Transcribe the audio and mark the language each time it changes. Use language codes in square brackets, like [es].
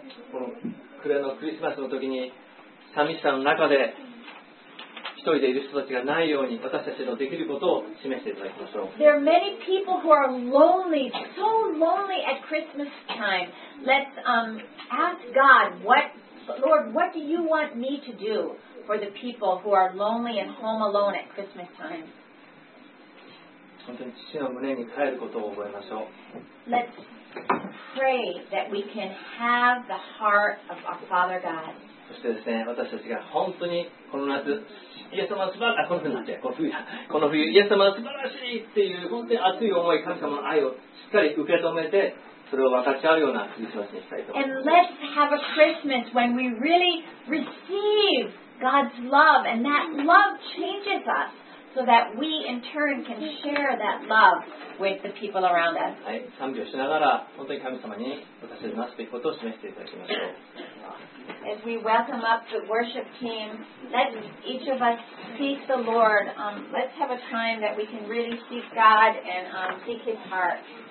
[ja] この暮れのクリスマスの時に寂しさの中で一人でいる人たちがないように私たちのできることを示していただきましょう。 [en] There are many people who are lonely, so lonely at Christmas time. Let's ask God, Lord, what do you want me to do for the people who are lonely and home alone at Christmas time? [ja] 本当に父の胸に帰ることを覚えましょう。 [en] Let's pray that we can have the heart of our Father God. [ja] そしてですね、私たちが本当にこの夏イエス様素晴らしい、この冬イエス様素晴らしいっていう本当に熱い思い、神様の愛をしっかり受け止めて、それを分かち合うようなクリスマスにしたいと思います。 [en] And let's have a Christmas when we really receive God's love and that love changes us. So that we in turn can share that love with the people around us. [ja] はい、賛美をしながら本当に神様に私たちのなすべきことを示していただきましょう。 [en] As we welcome up the worship team, let each of us seek the Lord. Let's have a time that we can really seek God and seek His heart.